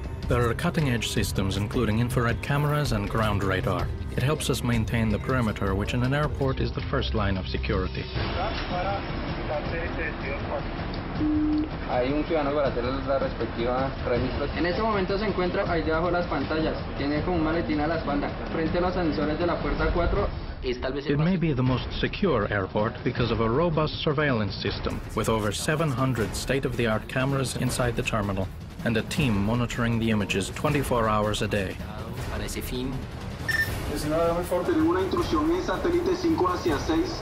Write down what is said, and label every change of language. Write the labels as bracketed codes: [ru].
[en] There are cutting-edge systems, including infrared cameras and ground radar. It helps us maintain the perimeter, which in an airport is the first line of security. [es] Hay un ciudadano para hacer la respectiva registro. En este momento se encuentra ahí debajo de las pantallas. Tiene como un maletín a la espalda, frente a los ascensores de la puerta 4. [en] It may be the most secure airport because of a robust surveillance system with over 700 state-of-the-art cameras inside the terminal and a team monitoring the images 24 hours a day. [es] Para ese fin. Tenemos una intrusión en satélite 5 hacia 6.